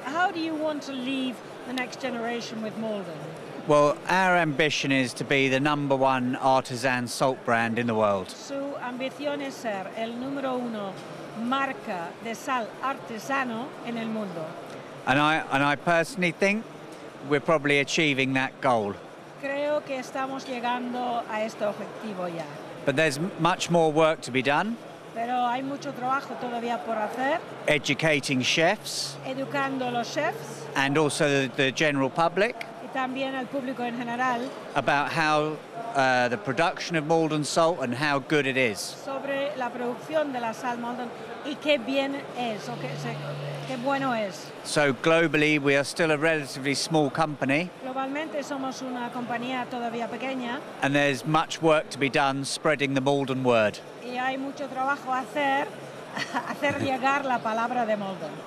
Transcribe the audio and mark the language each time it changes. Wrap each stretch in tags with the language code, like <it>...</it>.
<en>How do you want to leave the next generation with Maldon? Well, our ambition is to be the number one artisan salt brand in the world.</en> <es>Su ambición es ser el número uno marca de sal artesano en el mundo.</es> <en>And I personally think we're probably achieving that goal.</en> <es>Creo que estamos llegando a este objetivo ya.</es> <en>But there's much more work to be done.</en> <es>Pero hay mucho trabajo todavía por hacer.</es> <en>Educating chefs.</en> <es>Educando los chefs.</es> <en>And also the general public.</en> <es>Y también al público en general.</es> <en>About how the production of Maldon salt and how good it is.</en> <es>Sobre la producción de la sal Maldon y qué bien es, o qué bueno es.</es> <en>So globally, we are still a relatively small company.</en> <es>Globalmente somos una compañía todavía pequeña.</es> <en>And there's much work to be done spreading the Maldon word.</en> <es>Y hay mucho trabajo a hacer, hacer llegar la palabra de Maldon.</es>